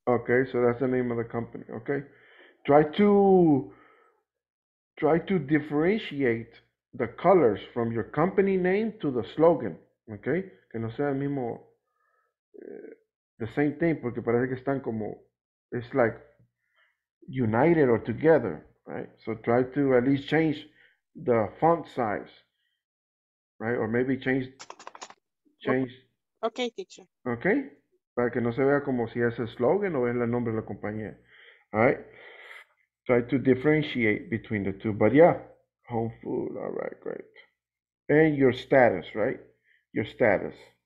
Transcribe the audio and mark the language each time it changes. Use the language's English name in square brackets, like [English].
[English] Okay, so that's the name of the company, okay? Try to differentiate the colors from your company name to the slogan, okay? [Spanish] Que no sea el mismo, [English] the same thing, [Spanish] porque parece que están como, [English] it's like united or together, right? So try to at least change the font size, right? Or maybe change. Okay, teacher. [Spanish] Okay, para que no se vea como si es el slogan o es el nombre de la compañía. [English] All right, try to differentiate between the two. But yeah, home food, all right, great. And your status, right? Your status.